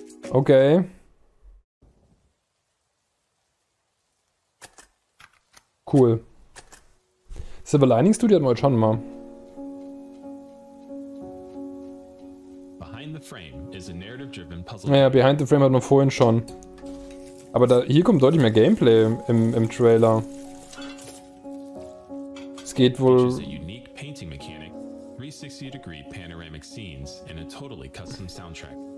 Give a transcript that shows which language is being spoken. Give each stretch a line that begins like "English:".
English: Okay.
German: Cool. Silver Lining Studio hatten wir schon mal.
English: Behind the Frame is a narrative-driven puzzle.
German: Naja, Behind the Frame hatten wir vorhin schon. Aber da, hier kommt deutlich mehr Gameplay im Trailer. Es geht wohl.
English: Mechanic, 360-degree panoramic scenes and a totally custom soundtrack.